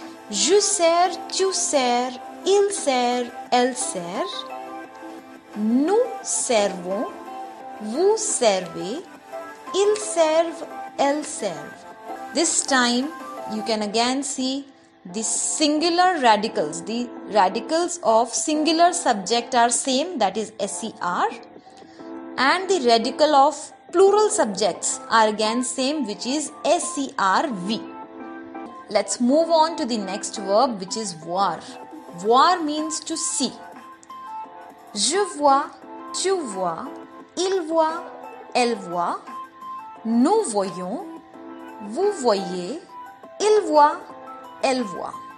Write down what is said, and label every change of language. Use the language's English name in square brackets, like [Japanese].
[French] Je sers, tu sers, il sert, elle sert. Nous servons, vous servez, ils servent, elles servent. [English] This time, you can again see the singular radicals, the radicals of singular subject are same, that is S-E-R, and the radical of plural subjects are again same, which is S-E-R-V. Let's move on to the next verb, which is voir. Voir means to see. [French] Je vois, tu vois, il voit, elle voit, nous voyons, vous voyez, il voit, elle voit.